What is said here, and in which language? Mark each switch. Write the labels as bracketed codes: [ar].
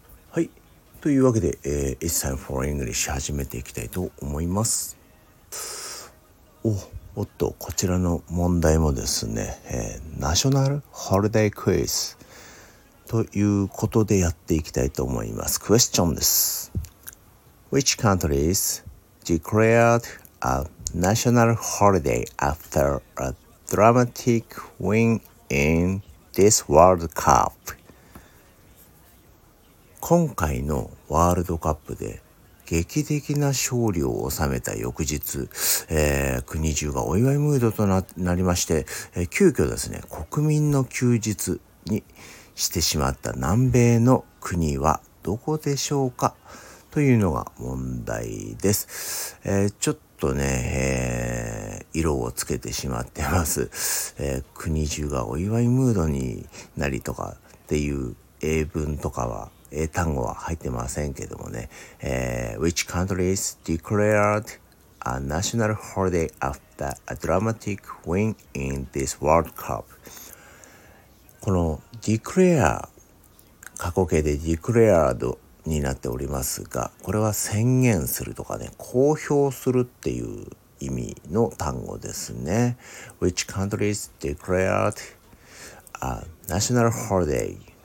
[ja] はい、というわけで、 [en] It's time for English [ja] 始めていきたいと思います。おっと、こちらの問題もですね、ナショナルホリデークイズということでやっていきたいと思います。クエスチョンです。 [en] Which countries declared a national holiday after a dramatic win in this World Cup? [ja] 今回のワールドカップで劇的な勝利を収めた翌日、国中がお祝いムードと なりまして、急遽ですね、国民の休日にしてしまった南米の国はどこでしょうか、というのが問題です。ちょっとね、色をつけてしまってます。国中がお祝いムードになりとかっていう英文とかは単語は入ってませんけどもね、 [en] Which countries declared a national holiday after a dramatic win in this World Cup? [ja] この declare、 過去形で declared になっておりますが、これは宣言するとかね、公表するっていう意味の単語ですね。 [en] Which countries declared a national holiday?